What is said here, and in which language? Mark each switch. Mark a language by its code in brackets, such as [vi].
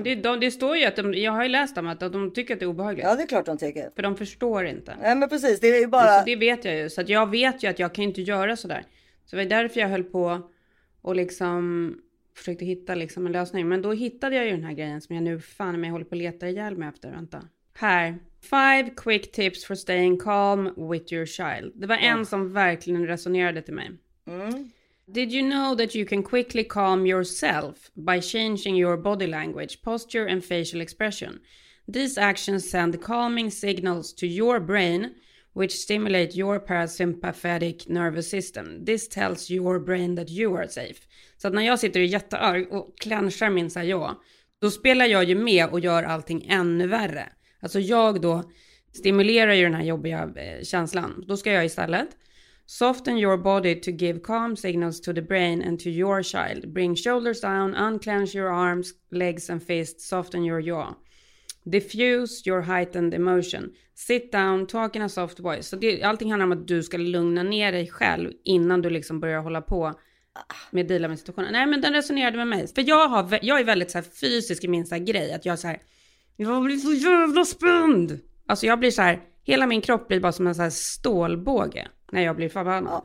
[sv] Ja, det står ju att jag har ju läst om att de tycker att det är obehagligt. Ja, det är klart de tycker. För de förstår inte. Nej, men precis. Det är ju bara... Det vet jag ju. Så att jag vet ju att jag kan inte göra sådär. Så det var därför jag höll på och liksom försökte hitta liksom en lösning. Men då hittade jag ju den här grejen som jag nu fan med håller på att leta ihjäl mig efter. Vänta. Här. [en] 5 quick tips for staying calm with your child. [sv] Det var en som verkligen resonerade till mig. Mm. [en] Did you know that you can quickly calm yourself by changing your body language, posture and facial expression? These actions send calming signals to your brain, which stimulate your parasympathetic nervous system. This tells your brain that you are safe. [sv] Så att när jag sitter jättearg och klänsar min så här, då spelar jag ju med och gör allting ännu värre. Alltså jag då stimulerar ju den här jobbiga känslan. Då ska jag istället... [en] Soften your body to give calm signals to the brain and to your child. Bring shoulders down, unclench your arms, legs and fists, soften your jaw. Diffuse your heightened emotion. Sit down, talk in a soft voice. [sv] Så det, allting handlar om att du ska lugna ner dig själv innan du liksom börjar hålla på med dela med situationen. Nej, men den resonerade med mig. För jag är väldigt så här fysisk i min så här grej. Att jag så här, jag blir så jävla spänd. Alltså jag blir så här, hela min kropp blir bara som en så här stålbåge. Nej, jag blir förbannad. Ja,